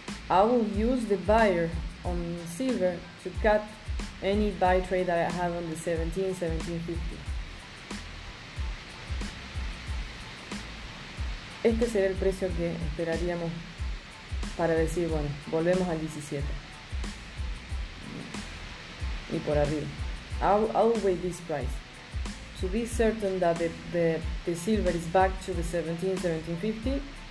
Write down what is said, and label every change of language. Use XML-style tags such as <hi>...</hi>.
<en>I will use the buyer on silver to cut any buy trade that I have on the 17, 1750.</en> <es>Este será el precio que esperaríamos para decir, bueno, volvemos al 17. Y por arriba.</es> <en>I'll wait this price to be certain that the silver is back to the 17, 1750.</en>